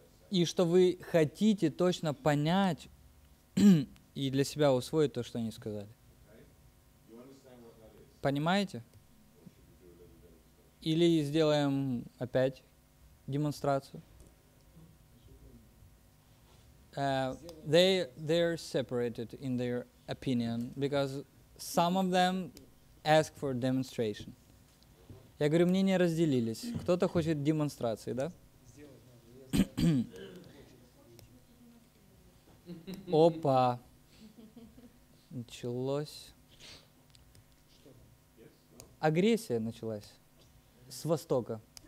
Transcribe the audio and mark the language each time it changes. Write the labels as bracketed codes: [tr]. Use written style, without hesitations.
[ru] И что вы хотите точно понять и для себя усвоить то, что они сказали. Понимаете? Или сделаем опять демонстрацию. [en] They are separated in their opinion because some of them ask for demonstration. [ru] Я говорю, мнения разделились. Кто-то хочет демонстрации, да? Опа. Началось. Агрессия началась. С востока.